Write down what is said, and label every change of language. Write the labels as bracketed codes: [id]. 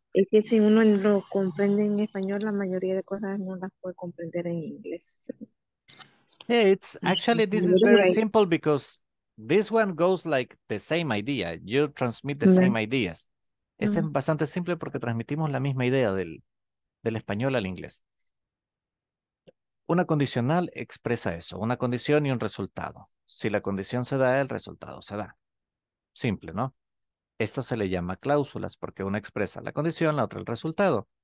[es] Es que si uno lo comprende en español, la mayoría de cosas no las puede comprender en inglés. [en] Yeah, it's actually, this is very simple because this one goes like the same idea. You transmit the same ideas. [es] Este es bastante simple porque transmitimos la misma idea del español al inglés. Una condicional expresa eso, una condición y un resultado. Si la condición se da, el resultado se da. Simple, ¿no? Esto se le llama cláusulas porque una expresa la condición, la otra el resultado.